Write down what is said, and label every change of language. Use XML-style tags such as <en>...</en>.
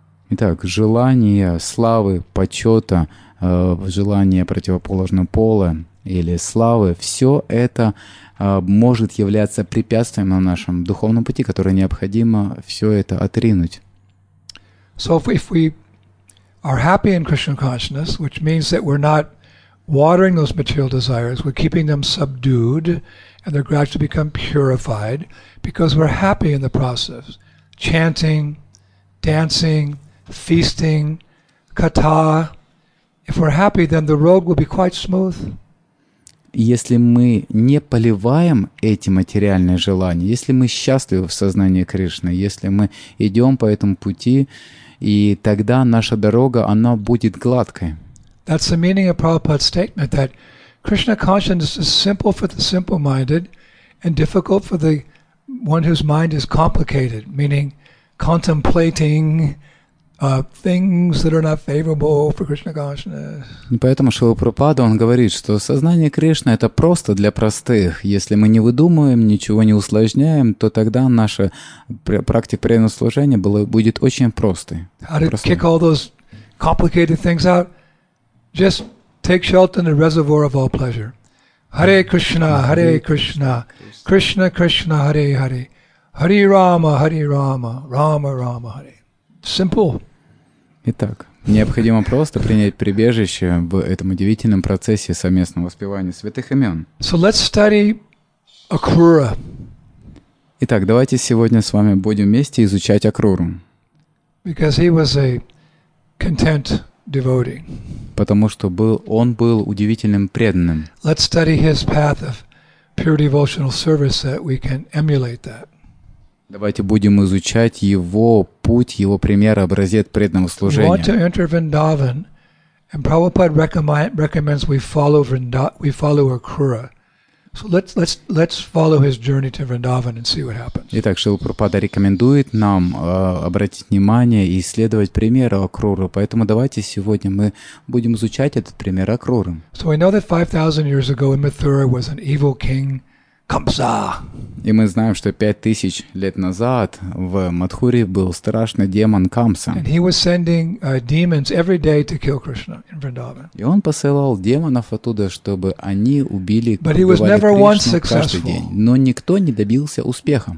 <ru>Итак, желание славы, почета, желание противоположного пола или славы, все это может являться препятствием на нашем духовном пути, которое необходимо все это отринуть.</ru> <en>So if we are happy in Krishna consciousness, which means that we're not watering those material desires, we're keeping them subdued, and they're gradually become purified, because we're happy in the process. Chanting, dancing, feasting, katha. If we're happy, then the road will be quite smooth.</en> <ru>Если мы не поливаем эти материальные желания, если мы счастливы в сознании Кришны, если мы идем по этому пути, и тогда наша дорога, она будет гладкой.</ru> <en>That's the meaning of Prabhupada's statement that Krishna consciousness is simple for the simple-minded and difficult for the one whose mind is complicated, meaning contemplating things that are not favorable for Krishna consciousness.</en> <ru>Поэтому Шрила Прабхупада, он говорит, что сознание Кришны — это просто для простых. Если мы не выдумываем, ничего не усложняем, то тогда наша практика преданного служения будет очень простой.</ru> <en>How to kick all those complicated things out? Just take shelter in the reservoir of all pleasure.</en> <sa>Hare Krishna, Hare Krishna, Krishna Krishna, Hare Hare, Hare Rama, Hare Rama, Rama Rama, Hare.</sa> <en>Simple.</en> <ru>Итак, необходимо просто принять прибежище в этом удивительном процессе совместного воспевания святых имен.</ru> <en>So let's study Акрура.</en> <ru>Итак, давайте сегодня с вами будем вместе изучать Акруру.</ru> <en>Because he was a content devotee.</en> <ru>Потому что он был удивительным преданным.</ru> <en>Let's study his path of pure devotional service so that we can emulate that.</en> <ru>Давайте будем изучать его путь, его пример, образец преданного служения.</ru> <en>We want to enter Vrindavan, and Prabhupada recommends we follow Akrura. So let's follow his journey to Vrindavan and see what happens.</en> <ru>Итак, Шрила Прабхупада рекомендует нам обратить внимание и следовать примеру Акруры. Поэтому давайте сегодня мы будем изучать этот пример Акруры.</ru> <en>So we know that 5,000 years ago in Mathura was an evil king Камса.</en> <ru>И мы знаем, что 5000 лет назад в Мадхуре был страшный демон Камса.</ru> <en>And he was sending demons every day to kill Krishna in Vrindavan.</en> <ru>И он посылал демонов оттуда, чтобы они убили Кришну каждый день. Но никто не добился успеха.</ru>